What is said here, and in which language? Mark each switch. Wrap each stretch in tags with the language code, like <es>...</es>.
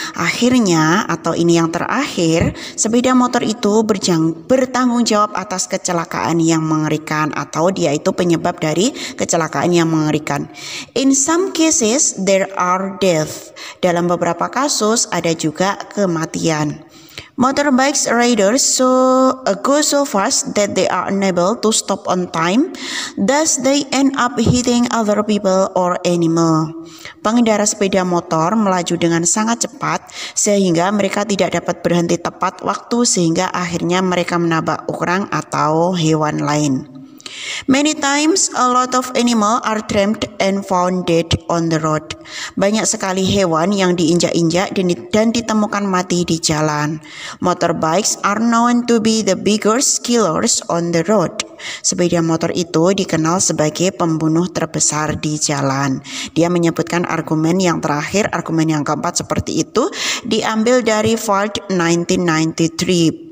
<id>Akhirnya, atau ini yang terakhir, sepeda motor itu bertanggung jawab atas kecelakaan yang mengerikan atau dia itu penyebab dari kecelakaan yang mengerikan.</id> <en>In some cases, there are death.</en> <id>Dalam beberapa kasus, ada juga kematian.</id> <en>Motorbikes riders go so fast that they are unable to stop on time, thus they end up hitting other people or animal.</en> <id>Pengendara sepeda motor melaju dengan sangat cepat sehingga mereka tidak dapat berhenti tepat waktu sehingga akhirnya mereka menabrak orang atau hewan lain.</id> <en>Many times a lot of animals are trapped and found dead on the road.</en> <id>Banyak sekali hewan yang diinjak-injak dan ditemukan mati di jalan.</id> <en>Motorbikes are known to be the biggest killers on the road.</en> <id>Sepeda motor itu dikenal sebagai pembunuh terbesar di jalan. Dia menyebutkan argumen yang terakhir, argumen yang keempat seperti itu, diambil dari Field 1993.</id>